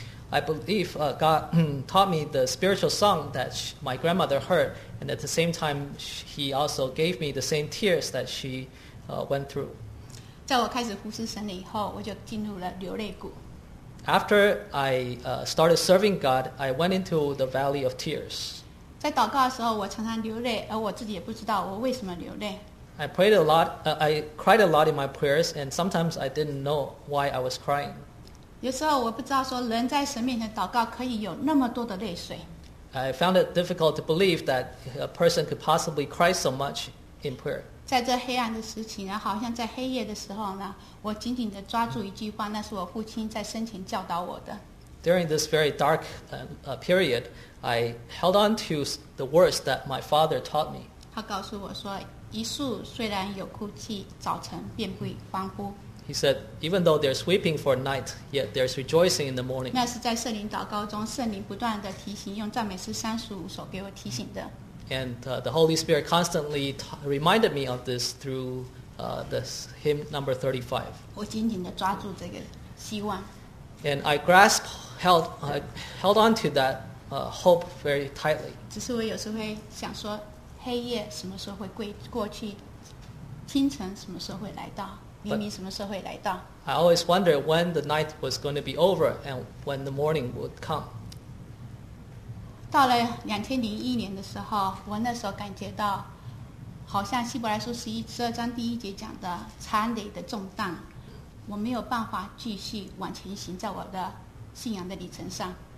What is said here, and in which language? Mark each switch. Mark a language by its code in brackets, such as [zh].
[en] I believe God taught me the spiritual song that my grandmother heard, and at the same time, he also gave me the same tears that she went through. [zh] 在我开始服侍神了以后，我就进入了流泪谷。 [en] After I started serving God, I went into the valley of tears. [zh] 在祷告的时候，我常常流泪，而我自己也不知道我为什么流泪。 [en] I prayed a lot, I cried a lot in my prayers, and sometimes I didn't know why I was crying. [zh] 有时候我不知道说人在神面前祷告可以有那么多的泪水。 [en] I found it difficult to believe that a person could possibly cry so much in prayer. [zh] 在这黑暗的时期呢，好像在黑夜的时候呢，我紧紧地抓住一句话，那是我父亲在生前教导我的。 [en] During this very dark period, I held on to the words that my father taught me. [zh] 他告诉我说，一树虽然有枯气，早晨便会欢呼。 [en] He said, even though there's weeping for night, yet there's rejoicing in the morning. [zh] 那是在圣灵祷告中，圣灵不断地提醒，用赞美诗三十五首给我提醒的。 [en] And the Holy Spirit constantly reminded me of this through this hymn number 35. [zh] 我紧紧地抓住这个希望。 [en] And I grasped, held on to that hope very tightly. [zh] 只是我有时会想说，黑夜什么时候会过去，清晨什么时候会来到。 [en] But I always wondered when the night was going to be over and when the morning would come. [zh] 到了2001年的时候，我那时候感觉到，好像希伯来书12章第一节讲的残累的重担，我没有办法继续往前行在我的信仰的旅程上。